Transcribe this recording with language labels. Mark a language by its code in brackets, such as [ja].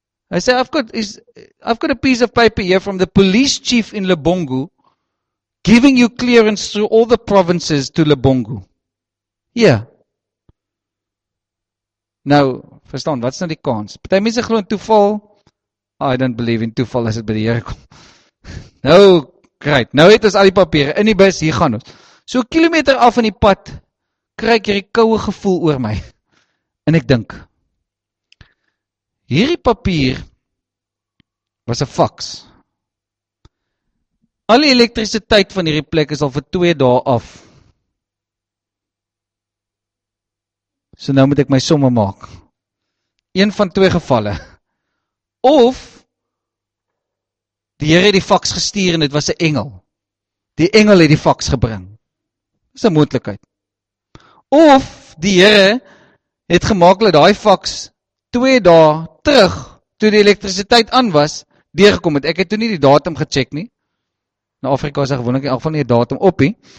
[en] I say, I've got a piece of paper here from the police chief in Lebongu giving you clearance through all the provinces to Lebongu. Yeah. [af] Nou, verstaan, wat is nou die kans? Party mense glo in toeval. [en] I don't believe in [af] toeval as dit by die Here kom. Nou, great. Nou het ons al die papiere in die bus, hier gaan ons. So kilometer af in die pad, kry ek hierdie koue gevoel oor my. En ek dink, hierdie papier was een fax. Al die elektrisiteit van hierdie plek is al vir 2 dae af. So nou moet ek my somme maak. 1 van 2 gevalle. Of, die Here het die fax gestuur en het was een engel. Die engel het die fax gebring. Dis een moontlikheid. Of, die Here het gemaak dat die fax 2 dae terug, toe die elektrisiteit aan was, deurgekom het. Ek het toen nie die datum gecheck nie. Na Afrika is daar gewoonlik in elk geval nie die datum op nie.